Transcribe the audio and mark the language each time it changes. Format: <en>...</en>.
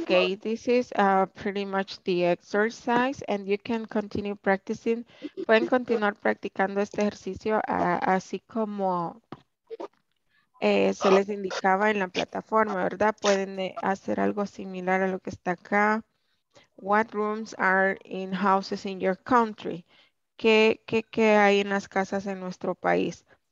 <en>Okay, this is pretty much the exercise, and you can continue practicing.</en> <es>Pueden continuar practicando este ejercicio así como se les indicaba en la plataforma, ¿verdad? Pueden hacer algo similar a lo que está acá.</es> <en>What rooms are in houses in your country?</en> <es>¿Qué hay en las casas en nuestro país?</es>